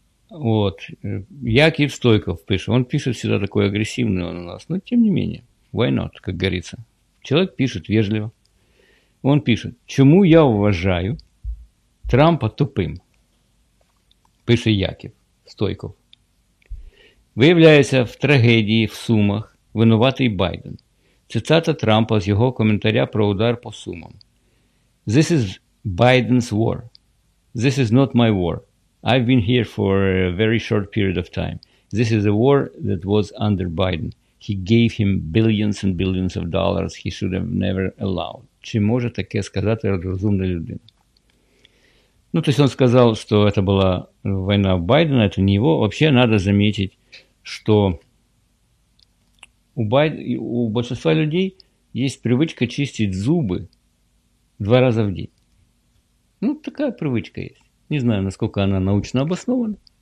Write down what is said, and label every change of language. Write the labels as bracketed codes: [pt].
[ru] Вот. Яков Стойков пишет. Он пишет всегда такой агрессивный он у нас. Но тем не менее. [en] Why not, [ru] как говорится. Человек пишет вежливо. Он пишет. Чему я уважаю Трампа тупым? Пишет Яков Стойков. [uk] Виявляється в трагедії в Сумах винуватий Байден. Цитата Трампа з його коментаря про удар по Сумам. [en] This is Biden's war. This is not my war. I've been here for a very short period of time. This is a war that was under Biden. He gave him billions and billions of dollars he should have never allowed. [uk] Чи може таке сказати розумна людина? [ru] Ну, то есть он сказал, что это была война Байдена, это не его. Вообще надо заметить, что у большинства людей есть привычка чистить зубы 2 раза в день. Ну, такая привычка есть. Не знаю, насколько она научно обоснована.